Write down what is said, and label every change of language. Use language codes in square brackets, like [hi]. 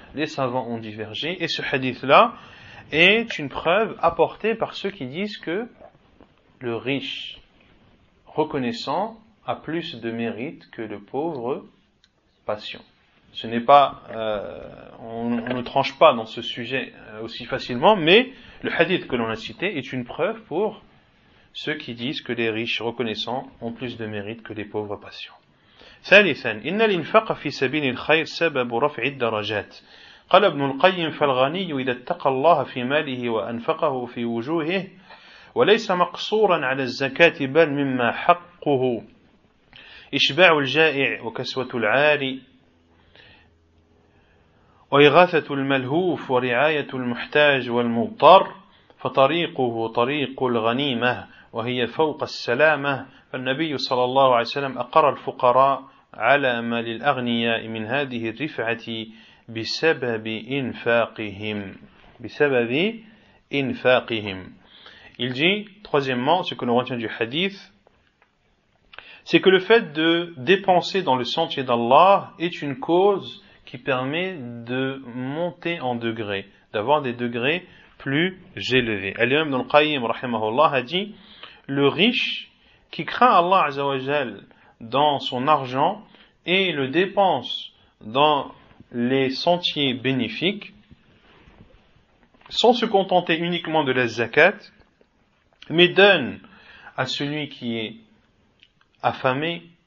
[fr] Les savants ont divergé. Et ce hadith-là est une preuve apportée par ceux qui disent que le riche reconnaissant a plus de mérite que le pauvre patient. Ce n'est pas, on ne tranche pas dans ce sujet aussi facilement, mais le hadith que l'on a cité est une preuve pour ceux qui disent que les riches reconnaissants ont plus de mérite que les pauvres patients. [ar] ثالثا إن الإنفاق في سبيل الخير سبب رفع الدرجات قال ابن القيم فالغني إذا اتقى الله في ماله وأنفقه في وجوهه وليس مقصورا على الزكاة بل مما حقه إشباع الجائع وكسوة العاري وإغاثة الملهوف ورعاية المحتاج والمضطر فطريقه طريق الغنيمة وهي فوق السلامة فالنبي صلى الله عليه وسلم أقر الفقراء على ما للأغنياء من هذه الرفعة بسبب إنفاقهم بسبب إنفاقهم. [fr] Il dit, troisièmement, ce que l'on retient du hadith, c'est que le fait de dépenser dans le sentier d'Allah est une cause qui permet de monter en degré, d'avoir des degrés plus élevés. Al-Imam al-Qayyim rahimahullah a dit, le riche qui craint Allah Azza wa Jal dans son argent et le dépense dans les sentiers bénéfiques, sans se contenter uniquement de la zakat, mais donne à celui qui est affamé,